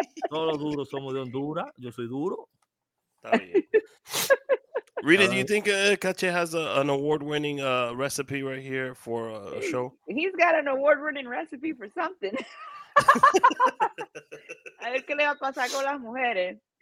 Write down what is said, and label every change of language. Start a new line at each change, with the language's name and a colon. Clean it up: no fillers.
Spanish: Todos los duros somos de Honduras, yo soy duro. Está bien.
English: Rita, do you think Kache has an award-winning recipe right here for a show? He's got an award-winning recipe for something.
Spanish: A ver qué le va a pasar con las mujeres.